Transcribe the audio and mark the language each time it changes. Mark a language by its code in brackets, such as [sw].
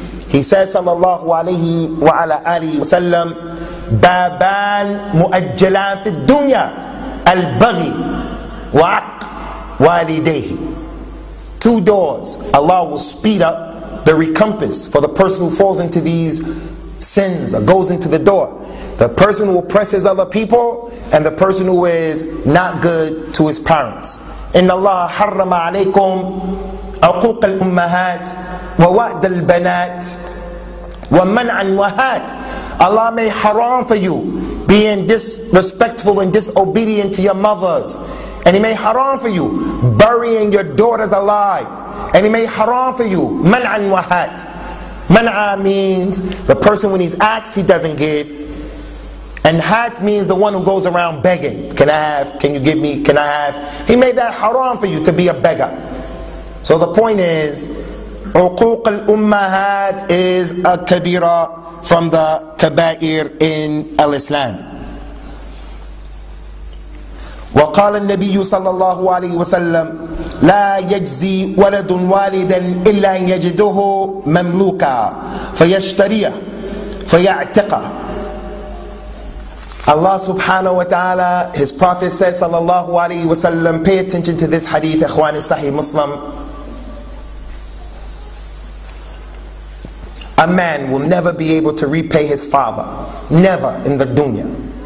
[en] He says, [ar] sallallahu alayhi wa ala alihi wa sallam, بابان مؤجلان في الدنيا البغي وعق والديه. [en] Two doors. Allah will speed up the recompense for the person who falls into these sins or goes into the door. The person who oppresses other people and the person who is not good to his parents. [ar] إن الله حرم عليكم عقوق الأمهات ووأد البنات ومنع النهات. [en] Allah may haram for you being disrespectful and disobedient to your mothers. And He may haram for you burying your daughters alive. And He may haram for you man'a wa hat. Man'a means the person when he's asked, he doesn't give. And hat means the one who goes around begging. Can I have? Can you give me? Can I have? He made that haram for you to be a beggar. So the point is, [ar] عقوق الأمهات [en] is a kabira from the kabair in al-Islam. [ar] وقال النبي صلى الله عليه وسلم لا يجزي ولد والدا إلا أن يجده مملوكا فيشتريه فيعتقه. [en] Allah subhanahu wa ta'ala, His Prophet says [ar] صلى الله عليه وسلم, [en] pay attention to this hadith, [ar] إخواني صحيح مسلم. [en] A man will never be able to repay his father. Never in the dunya.